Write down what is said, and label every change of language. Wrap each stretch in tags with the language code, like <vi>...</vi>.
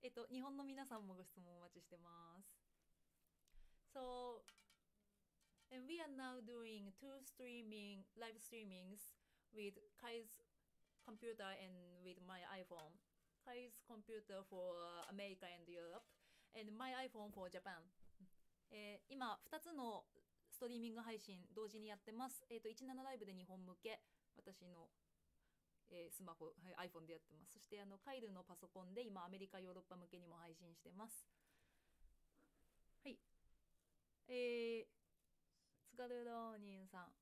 <ja>日本の皆さんもご質問お待ちしてます。</ja> <en>So, and we are now doing two live streamings with Kai's computer and with my iPhone. Kai's computer for America and Europe, and my iPhone for Japan.</en> <ja>今2つのストリーミング配信同時にやってます。 17ライブで日本向け、私の、スマホ、iPhone でやってます。そしてカイルのパソコンで今アメリカ、ヨーロッパ向けにも配信してます。はい。スカルローニンさん。</ja>